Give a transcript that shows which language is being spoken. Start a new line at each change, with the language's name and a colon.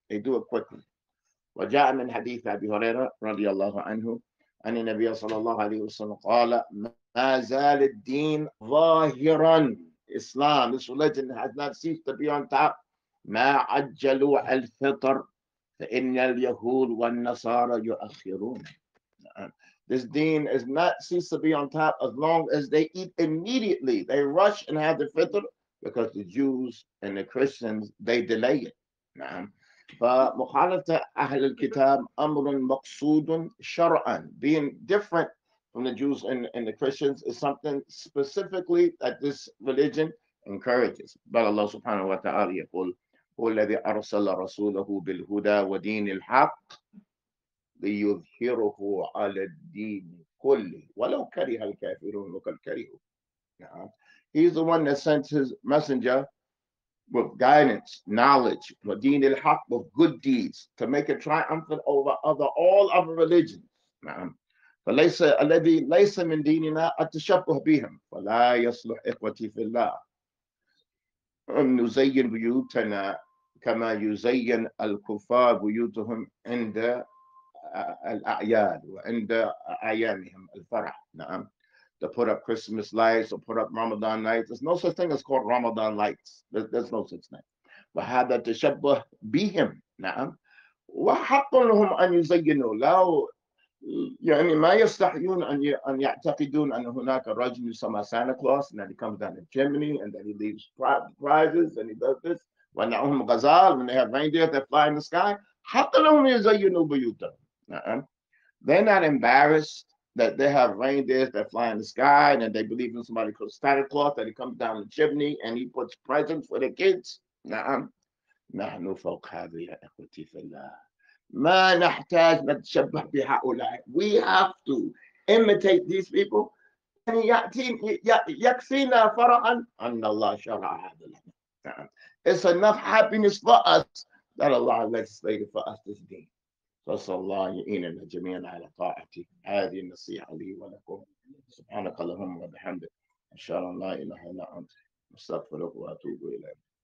English: They do it quickly.
Arabic: وجاء من حديث أبي هريرة رضي الله عنه أن النبي صلى الله عليه وسلم قال ما زال الدين ظاهرا.
English: Islam, this religion has not ceased to be on top.
Arabic: ما عجلوا الفطر فإن اليهود والنصارى يؤخرون.
English: This deen has not ceased to be on top as long as they eat immediately. They rush and have the fitr because the Jews and the Christians, they delay it.
Arabic: نعم. فمخالفة أهل الكتاب أمر مقصود شرعا.
English: Being different from the Jews and the Christians is something specifically that this religion encourages.
Arabic: بل الله سبحانه وتعالى يقول هو الذي أرسل رسوله بالهدى ودين الحق ليظهره على الدين كله ولو كره الكافرون وكل كرهوا.
English: He's the one that sent his messenger with guidance, knowledge,
Arabic: ودين الحق,
English: with good deeds to make a triumphant over other all other religions.
Arabic: فليس الذي ليس من ديننا التشبه بهم فلا يصلح إخوتي في الله أن نزين بيوتنا كما يزين الكفار بيوتهم عند الأعياد وعند أيامهم الفرح. نعم.
English: To put up Christmas lights or put up Ramadan lights. There's no such thing as called Ramadan lights. There's no such thing.
Arabic: وهذا تشبه بهم. نعم. وحق لهم أن يزينوا لو يعني ما يستحيون أن يعتقدون أن هناك رجل يسمى سانتا كلوس
English: and that he comes down to Germany and that he leaves prizes and he does this.
Arabic: وأنهم غزال
English: when they have reindeer that fly in the sky.
Arabic: حق لهم يزينوا بيوتهم. نعم.
English: They're not embarrassed that they have reindeers that fly in the sky and that they believe in somebody called Santa Claus that he comes down the chimney and he puts presents for the kids.
Arabic: نعم. نحن فوق هذا يا إخوتي في الله. ما نحتاج نتشبه بهؤلاء.
English: We have to imitate these people.
Arabic: يعني يكفينا فرعا أن الله شرع هذا لنا. نعم.
English: It's enough happiness for us that Allah legislated for us this deen.
Arabic: فصلى الله يعيننا جميعا على طاعته. هذه النصيحة لي ولكم. سبحانك اللهم وبحمدك. إن شاء الله لا إله إلا أنت. أستغفرك وأتوب إليك.